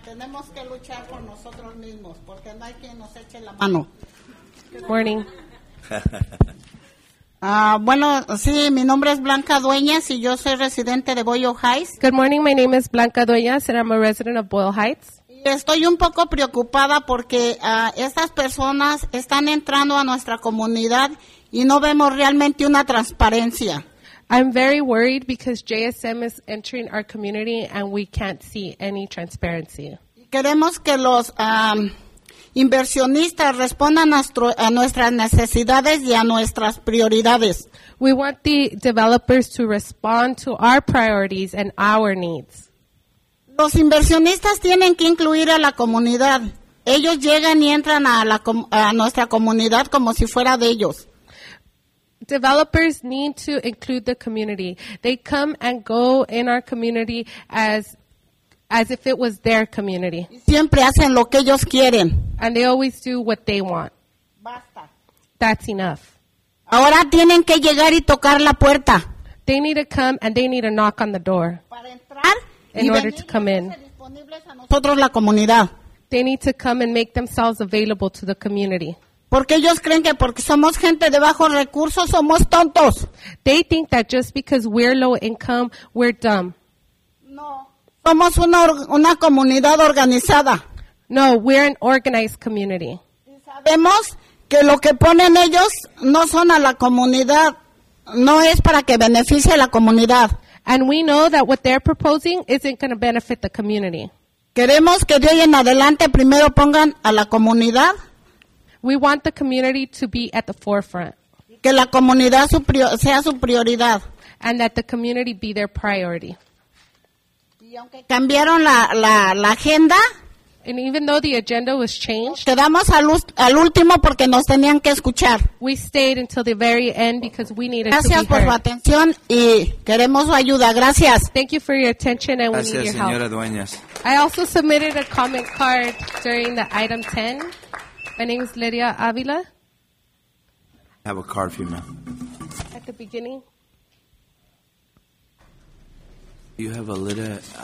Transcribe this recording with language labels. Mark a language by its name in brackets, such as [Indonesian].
[Spanish] Tenemos que luchar por nosotros mismos, porque no hay quien nos eche la mano. [English] Good morning. [Spanish] Bueno, sí, mi nombre es Blanca Dueñas y yo soy residente de Boyle Heights. [English] Good morning, my name is Blanca Dueñas and I'm a resident of Boyle Heights. [Spanish] Y Estoy un poco preocupada porque estas personas están entrando a nuestra comunidad y no vemos realmente una transparencia. [English] I'm very worried because JSM is entering our community and we can't see any transparency. [Spanish] Queremos que los inversionistas respondan a nuestras necesidades y a nuestras prioridades. [English] We want the developers to respond to our priorities and our needs. [Spanish] Los inversionistas tienen que incluir a la comunidad. Ellos llegan y entran a nuestra comunidad como si fuera de ellos. [English] Developers need to include the community. They come and go in our community as if it was their community. [Spanish] Siempre hacen lo que ellos quieren. [English] And they always do what they want. [Spanish] Basta. [English] That's enough. [Spanish] Ahora tienen que llegar y tocar la puerta. [English] They need to come and they need to knock on the door. [Spanish] Para entrar. [English] In order to come in. [Spanish] Nosotros, la comunidad. [English] They need to come and make themselves available to the community. [Spanish] Porque ellos creen que porque somos gente de bajos recursos, somos tontos. [English] They think that just because we're low income, we're dumb. [Spanish] No. Somos una comunidad organizada. [English] No, we're an organized community. [Spanish] Sabemos que lo que ponen ellos no son a la comunidad, no es para que beneficie a la comunidad. [English] And we know that what they're proposing isn't going to benefit the community. [Spanish] Queremos que de hoy en adelante primero pongan a la comunidad. [English] We want the community to be at the forefront. [Spanish] Que la comunidad sea su prioridad. [English] And that the community be their priority. [Spanish] Y aunque cambiaron la agenda. [English] And even though the agenda was changed. [Spanish] Quedamos al último porque nos tenían que escuchar. [English] We stayed until the very end because we needed [Spanish] gracias [English] to be heard. [Spanish] Gracias por su atención y queremos su ayuda. Gracias. [English] Thank you for your attention and [Spanish] gracias, [English] we need your [Spanish] señora [English] help. [Spanish] Gracias, señora Dueñas. [English] I also submitted a comment card during the item 10. My name is Lydia Avila. I have a card for you, ma'am. At the beginning. You have a Lydia.